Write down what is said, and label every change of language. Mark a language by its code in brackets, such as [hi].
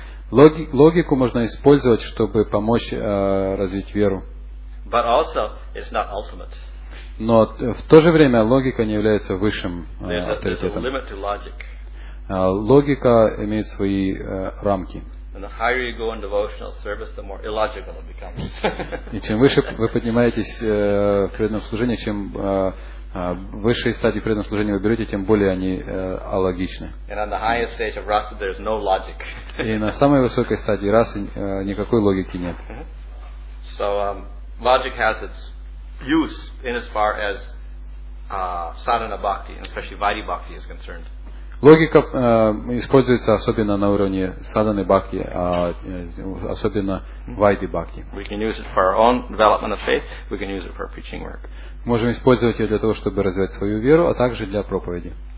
[ru] Логику можно использовать, чтобы помочь развить веру. [en] But also, it's not ultimate. [ru] Но в то же время логика не является высшим авторитетом. [en] A limit to logic. [ru] Логика имеет свои рамки. [en] And the higher you go in devotional service, the more illogical it becomes. [ru] И чем выше вы поднимаетесь в преданном служении, чем высшие стадии преданного служения вы берете, тем более они алогичны. [en] And on the highest stage of rasa, there is no logic. [ru] И на самой высокой стадии расы никакой логики нет. [en] So logic has its use in as far as sadhana bhakti, especially vaidhi bhakti, is concerned. [ru] Логика используется особенно на уровне садханы бхакти, особенно вайди бхакти. [en] We can use it for our own development of faith. We can use it for preaching work. [ru] Можем использовать ее для того, чтобы развивать свою веру, а также для проповеди.